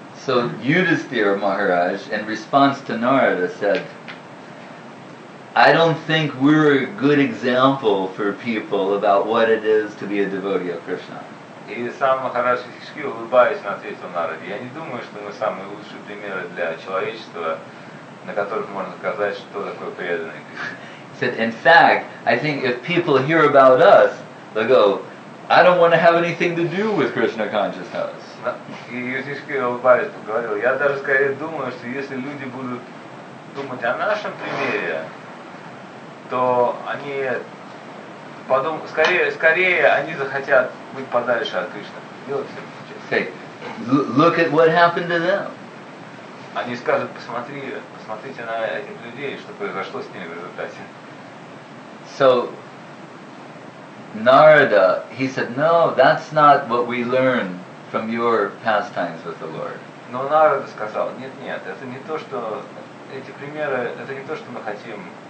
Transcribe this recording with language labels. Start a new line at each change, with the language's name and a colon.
English: So Yudhisthira Maharaj, in response to Narada, said, I don't think we're a good example for people about what it is to be a devotee of Krishna.
Russian: И сам Махарадж Шишки, улыбаясь, он ответил Нараде: я не думаю, что мы самые лучшие примеры для человечества, на которых можно сказать, что такое преданный.
English: He said, in fact, I think if people hear about us, they'll go, I don't want to have anything to do with Krishna consciousness.
Russian: И Шишки, улыбаясь, говорил: я даже скорее думаю, что если люди будут думать о нашем примере, то они потом, скорее они захотят быть подальше от Кришны.
English: Hey, look at what happened to them.
Russian: Они скажут: посмотрите на этих людей, что произошло с ними в результате.
English: So Narada, he said, no, that's not what we learn from your pastimes with the Lord.
Russian: Но Нарада сказал: нет, это не то, что эти примеры, это не то, что мы хотим.